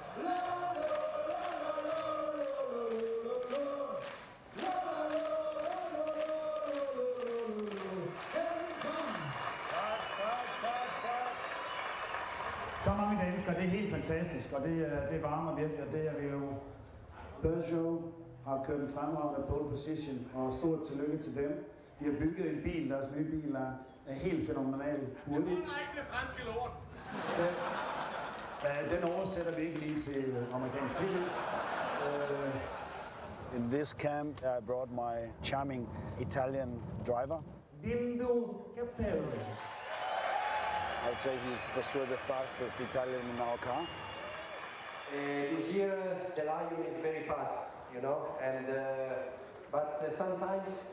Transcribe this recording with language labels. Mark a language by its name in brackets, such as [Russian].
[Danish] La la la la la la la la la la la la la la la la la la la la la la la. Så mange danskere, det er helt fantastisk, og det varmer virkelig, og det er vi jo. Peugeot har kørt en fremragende pole position, og stort tillykke til dem. De har bygget en bil, deres nye bil er helt fænomenal. Hurtigt. Jeg mener ikke det franske lort. Den oversætter vi ikke lige til amerikansk TV. [English] In this camp, I brought my charming Italian driver. Dindo Capello. I'd say he's for sure the fastest Italian in our car. This year, Gelaio is very fast, you know, and but sometimes